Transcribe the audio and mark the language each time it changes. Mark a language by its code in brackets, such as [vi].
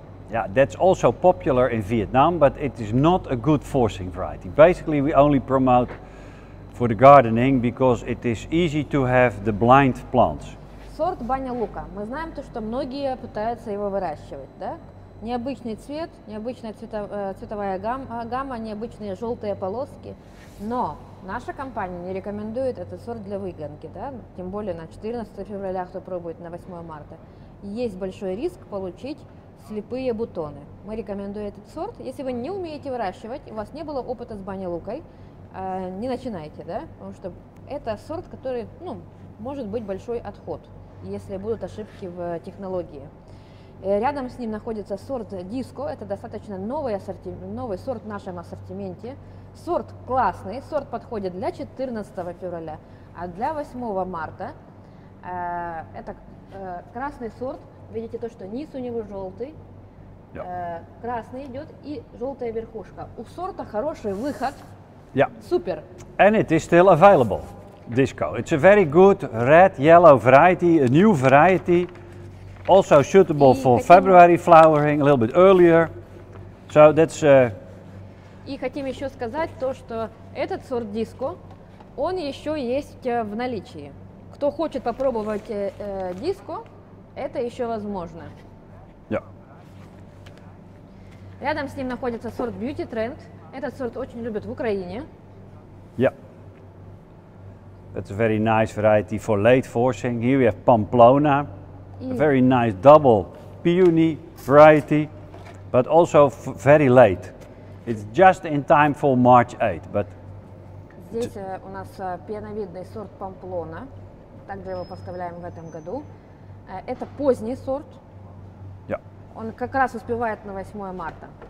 [en] Yeah, that's also popular in Vietnam, but it is not a good forcing variety. Basically, we only promote for the gardening because it is easy to have the blind plants. [ru] Сорт Banja Luka. Мы знаем то, что многие пытаются его выращивать, да? Необычный цвет, необычная цветовая гамма, необычные желтые полоски. Но наша компания не рекомендует этот сорт для выгонки, да? Тем более на 14 февраля, кто пробует на 8 марта. Есть большой риск получить слепые бутоны. Мы рекомендуем этот сорт. Если вы не умеете выращивать, у вас не было опыта с Banja Lukой, не начинайте, да? Потому что это сорт, который, ну, может быть большой отход, если будут ошибки в технологии. Рядом с ним находится сорт Диско. Это достаточно новый сорт в нашем ассортименте. Сорт классный. Сорт подходит для 14 февраля. А для 8 марта это красный сорт. Видите то, что низ у него желтый. [en] Yeah. [ru] Красный идет и желтая верхушка. У сорта хороший выход. [en] Yeah. [ru] Супер. [en] And it is still available, Disco. It's a very good red-yellow variety, a new variety. also suitable for February flowering, a little bit earlier. So that's. [ru] И хотим еще сказать то, что этот сорт диско, он еще есть в наличии. Кто хочет попробовать диско, это еще возможно. [en] Yeah. [ru] Рядом с ним находится сорт Beauty Trend. Этот сорт очень любят в Украине. [en] Yeah. That's a very nice variety for late forcing. Here we have Pamplona. A very nice double peony variety, but also very late. It's just in time for March 8, but... [ru] Здесь у нас пеновидный сорт Памплона. Также его поставляем в этом году. Это поздний сорт. [en] Yeah. [ru] Он как раз успевает на 8 марта.